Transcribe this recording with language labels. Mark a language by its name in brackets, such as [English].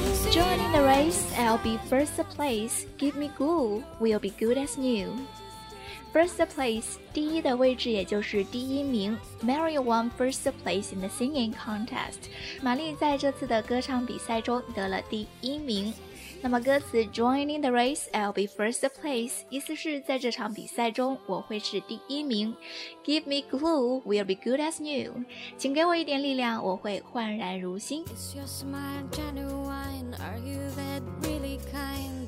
[English] Joining the race, I'll be first place. Give me goal, we'll be good as new. [Chinese] First place, 第一的位置也就是第一名。 [English] Mary won first place in the singing contest. [Chinese] 玛丽在这次的歌唱比赛中得了第一名。那么歌词 [English] Joining the race, I'll be first place, [Chinese] 意思是在这场比赛中我会是第一名。 [English] Give me glue, we'll be good as new. [Chinese] 请给我一点力量，我会焕然如新。 [English] Is your smile genuine? Are you that really kind?